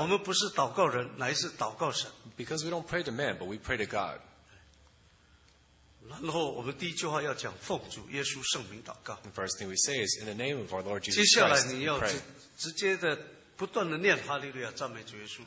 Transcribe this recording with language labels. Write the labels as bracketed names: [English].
[Chinese] 我们不是祷告人, 乃是祷告神, [English] because we don't pray to man, but we pray to God. [Chinese] 然后我们第一句话要讲, [English] and first thing we say is, in the name of our Lord Jesus Christ, we pray. [Chinese] 不断地念, Hallelujah, 赞美主耶稣,